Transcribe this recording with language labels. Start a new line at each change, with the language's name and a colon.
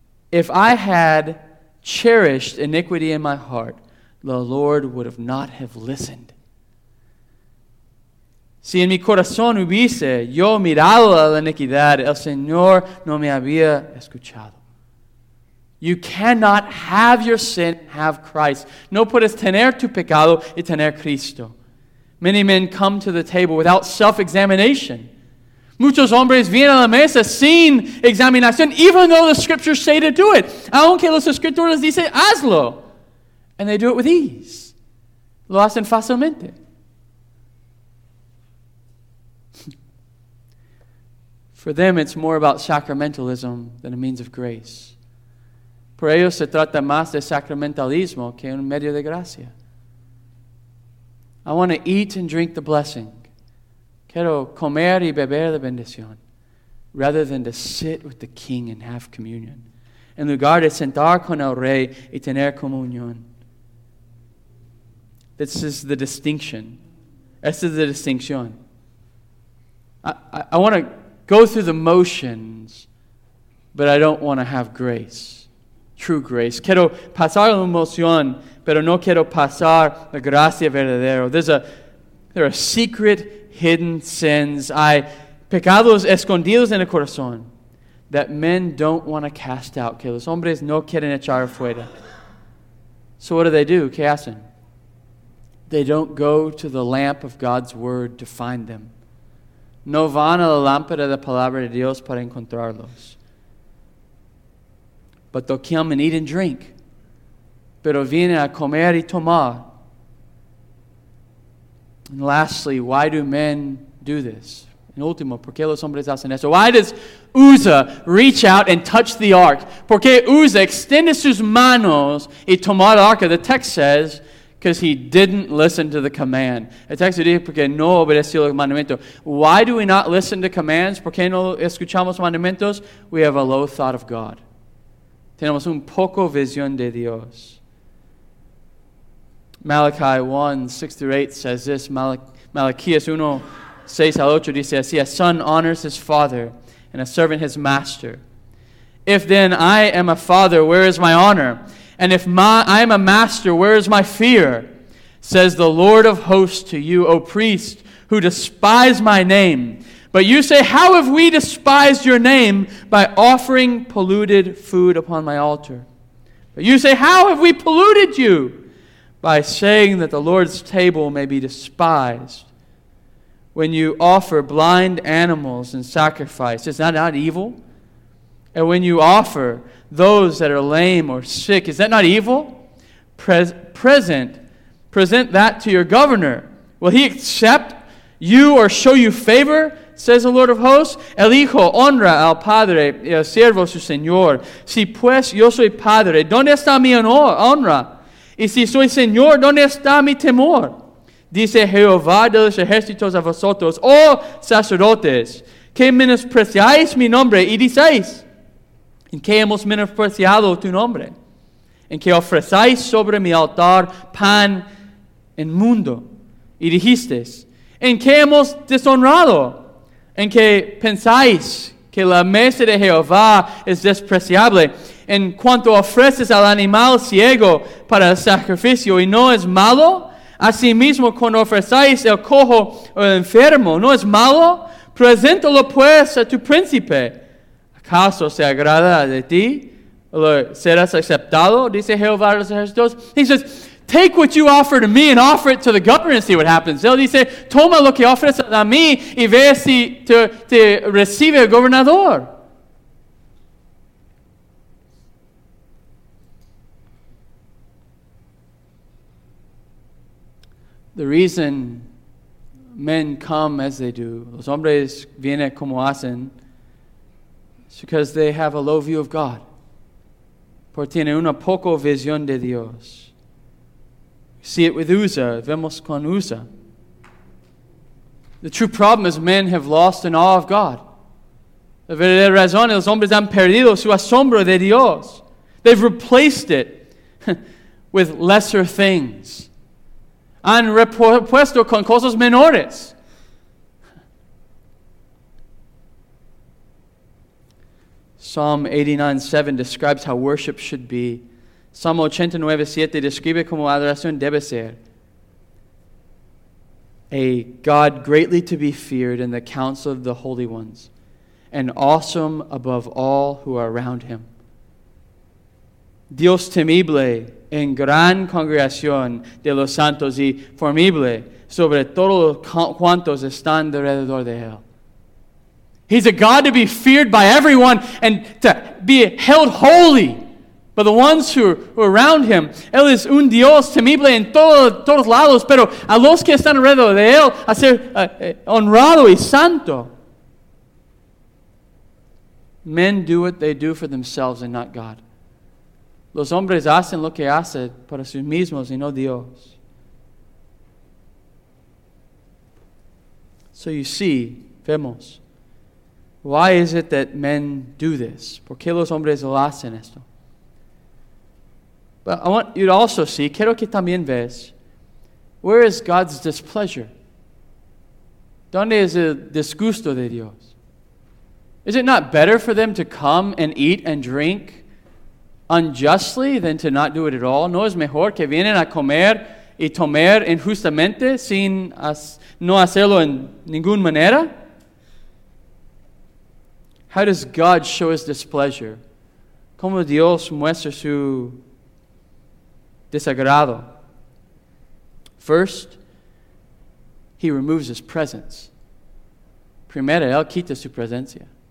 English: If I had cherished iniquity in my heart, the Lord would have not have listened.
Spanish: Si en mi corazón hubiese yo mirado la iniquidad, el Señor no me había escuchado.
English: You cannot have your sin and have Christ.
Spanish: No puedes tener tu pecado y tener Cristo.
English: Many men come to the table without self-examination.
Spanish: Muchos hombres vienen a la mesa sin examinación,
English: even though the scriptures say to do it.
Spanish: Aunque los escrituras dicen, hazlo.
English: And they do it with ease.
Spanish: Lo hacen fácilmente.
English: For them, it's more about sacramentalism than a means of grace.
Spanish: Por ellos se trata más de sacramentalismo que un medio de gracia.
English: I want to eat and drink the blessing.
Spanish: Quiero comer y beber la bendición.
English: Rather than to sit with the king and have communion.
Spanish: En lugar de sentar con el rey y tener comunión.
English: This is the distinction.
Spanish: Esta es la distinción.
English: I want to go through the motions, but I don't want to have grace. True grace.
Spanish: Quiero pasar la emoción, pero no quiero pasar la gracia verdadera.
English: There are secret, hidden sins.
Spanish: Hay pecados escondidos en el corazón
English: that men don't want to cast out.
Spanish: Que los hombres no quieren echar afuera.
English: So what do?
Spanish: ¿Qué hacen?
English: They don't go to the lamp of God's word to find them.
Spanish: No van a la lámpara de la palabra de Dios para encontrarlos.
English: But they'll come and eat and drink.
Spanish: Pero vienen a comer y tomar.
English: And lastly, why do men do this?
Spanish: En último, ¿por qué los hombres hacen eso?
English: Why does
Spanish: Uzzah
English: reach out and touch the ark.
Spanish: Porque Uzzah extiende sus manos y tomó la arca.
English: The text says, because he didn't listen to the command.
Spanish: El texto dice, porque no obedeció los mandamientos.
English: Why do we not listen to commands?
Spanish: ¿Por qué no escuchamos mandamientos?
English: We have a low thought of God.
Spanish: Tenemos un poco visión de Dios.
English: Malachi 1, 6 through 8 says this.
Spanish: Malaquías 1, 6 al 8 dice así.
English: A son honors his father, and a servant his master. If then I am a father, where is my honor? And if I am a master, where is my fear? Says the Lord of hosts to you, O priest, who despise my name. But you say, how have we despised your name? By offering polluted food upon my altar. But you say, how have we polluted you? By saying that the Lord's table may be despised. When you offer blind animals in sacrifice, is that not evil? And when you offer those that are lame or sick, is that not evil? Present that to your governor. Will he accept you or show you favor? Says the Lord of hosts.
Spanish: El hijo honra al padre y el siervo su señor. Si pues yo soy padre, ¿dónde está mi honra? Y si soy señor, ¿dónde está mi temor? Dice Jehová de los ejércitos a vosotros, oh sacerdotes, que menospreciáis mi nombre y diceis, ¿en qué hemos menospreciado tu nombre? ¿En qué ofrecéis sobre mi altar pan inmundo? Y dijisteis, ¿en qué hemos deshonrado? ¿En qué pensáis que la mesa de Jehová es despreciable? ¿En cuanto ofreces al animal ciego para el sacrificio y no es malo? Asimismo, cuando ofrecéis el cojo o el enfermo, ¿no es malo? Preséntalo pues a tu príncipe. ¿Acaso se agrada de ti? ¿Serás aceptado? Dice Jehová de los ejércitos.
English: He says, take what you offer to me and offer it to the governor and see what happens.
Spanish: Él dice, toma lo que ofreces a mí y ve si te recibe el gobernador.
English: The reason men come as they do,
Spanish: los hombres vienen como hacen,
English: it's because they have a low view of God.
Spanish: Porque tiene una poco visión de Dios.
English: See it with Uzzah.
Spanish: Vemos con Uzzah.
English: The true problem is men have lost an awe of God.
Spanish: La verdadera razón es los hombres han perdido su asombro de Dios.
English: They've replaced it with lesser things.
Spanish: Han repuesto con cosas menores.
English: Psalm 89:7 describes how worship should be.
Spanish: Psalm 89:7 describe como adoración debe ser.
English: A God greatly to be feared in the council of the holy ones, and awesome above all who are around him.
Spanish: Dios temible en gran congregación de los santos y formible sobre todos cuantos están alrededor de él.
English: He's a God to be feared by everyone and to be held holy by the ones who are around him.
Spanish: Él es un Dios temible en todos lados, pero a los que están alrededor de él, a ser honrado y santo.
English: Men do what they do for themselves and not God.
Spanish: Los hombres hacen lo que hacen para sí mismos y no Dios.
English: So you see,
Spanish: vemos.
English: Why is it that men do this?
Spanish: ¿Por qué los hombres lo hacen esto?
English: But I want you to also see,
Spanish: quiero que también ves,
English: where is God's displeasure?
Spanish: ¿Dónde es el disgusto de Dios?
English: Is it not better for them to come and eat and drink unjustly than to not do it at all?
Spanish: ¿No es mejor que vienen a comer y tomar injustamente sin no hacerlo en ninguna manera?
English: How does God show his displeasure?
Spanish: ¿Cómo Dios muestra su desagrado?
English: First, he removes his presence.
Spanish: Primero, él quita su presencia.